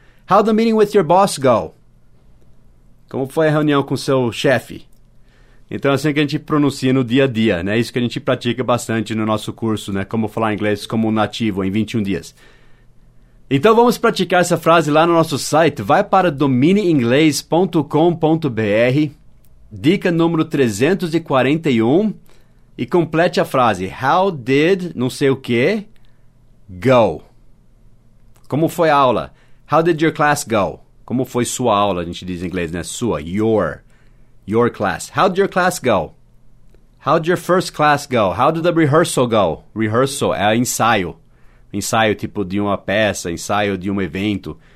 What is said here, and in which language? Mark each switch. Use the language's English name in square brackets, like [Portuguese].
[English] How'd the meeting with your boss go? [Portuguese] Como foi a reunião com seu chefe? Então, é assim que a gente pronuncia no dia a dia, né? Isso que a gente pratica bastante no nosso curso, né? Como falar inglês como nativo em 21 dias. Então, vamos praticar essa frase lá no nosso site. Vai para domineinglês.com.br, dica número 341, e complete a frase. [English] How did, [Portuguese] não sei o quê, [English] go? [Portuguese] Como foi a aula? [English] How did your class go? [Portuguese] Como foi sua aula, a gente diz em inglês, né? Sua, [English] your class. How did your class go? How did your first class go? How did the rehearsal go? [Portuguese] Rehearsal é ensaio. Ensaio tipo de uma peça, ensaio de um evento.